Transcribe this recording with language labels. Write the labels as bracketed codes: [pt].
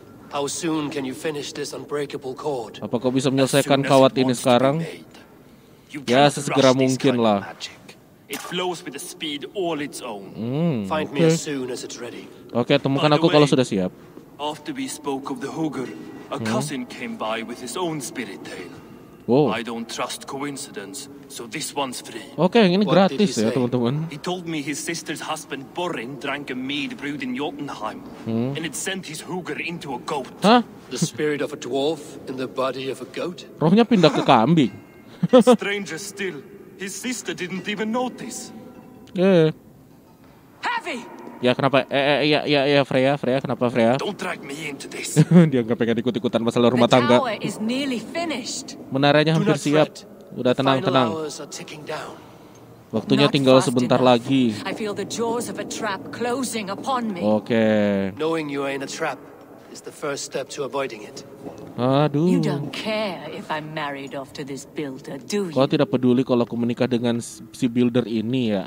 [en] How soon can you finish this unbreakable cord? [id] Apa kau bisa menyelesaikan kawat ini sekarang? Ya, sesegera mungkin lah. [en] It flows with a speed all its own. Find me as soon as it's ready. [id] Oke, temukan aku kalau sudah siap. [en] After we spoke of the Hugger, a cousin came by with his own spirit tale. Wow. I don't trust coincidence, so this one's free. [id] Oke, ini gratis ya, teman-teman. [en] He told me his sister's husband Borin drank a mead brewed in Jotunheim, and it sent his Hugger into a goat. Hah? The spirit of a dwarf in the body of a goat? [id] Rohnya pindah ke kambing. [en] Stranger still, his sister didn't even notice. Heavy. [id] Ya kenapa? Freya, kenapa Freya? [en] Don't drag me into this. [id] Dia nggak pengen ikut-ikutan masalah rumah tangga. [en] The tower is nearly finished. [id] Menaranya hampir siap. Udah tenang. [en] Final hours are ticking down. [id] Waktunya tinggal sebentar lagi. [en] I feel the jaws of a trap closing upon me. [id] Oke. [en] Knowing you are in a trap is the first step to avoiding it. [id] Aduh. [en] You don't care if I'm married off to this builder, do you? [id] Kau tidak peduli kalau aku menikah dengan si builder ini ya.